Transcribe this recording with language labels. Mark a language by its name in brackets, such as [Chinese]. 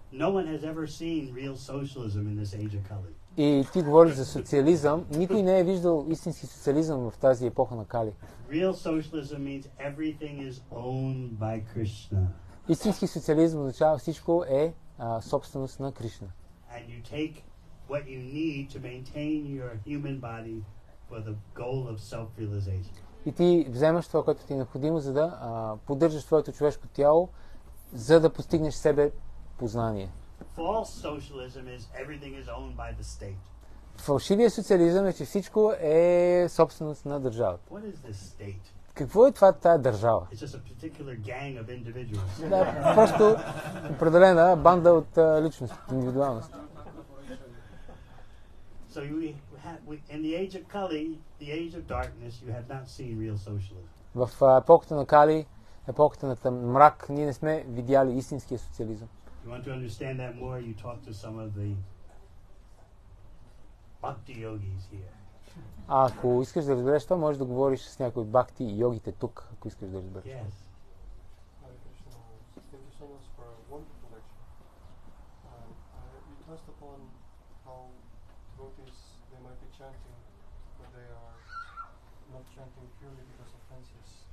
[English] No one has ever seen real socialism in this age of Kali. [Bulgarian] И ти говориш за социализъм. Никой не е виждал истински социализъм в тази епоха на Кали. [English] Real socialism means everything is owned by Krishna. [Bulgarian] Истински социализъм означава всичко е собственост на Кришна. [English] And you take what you need to maintain your human body for the goal of self-realization. [Bulgarian] И ти вземаш това, което ти е необходимо, за да поддържаш твоето човешко тяло, за да постигнеш себе познание. [English] False socialism is everything is owned by the state. [Bulgarian] Фалшивият социализъм е, че всичко е собственост на държавата. [English] What is this state? [Bulgarian] Какво е това тая държава? [English] It's just a particular gang of individuals. [Bulgarian] Да, просто определена банда от личност, индивидуалност. [English] So you have, in the age of Kali, the age of darkness, you have not seen real socialism. [Bulgarian] В епохата на Кали, епохата на тъм мрак, ние не сме видяли истинския социализъм. [English] If you want to understand that more, you talk to some of the bhakti yogis here. [Bulgarian] Ако искаш да разбереш това, можеш да говориш с някои бхакти йогите тук, ако искаш да разбереш. [English] Yes. Hare Krishna, thank you so much for a wonderful lecture. You touched upon how devotees, they might be chanting, but they are not chanting purely because of fences.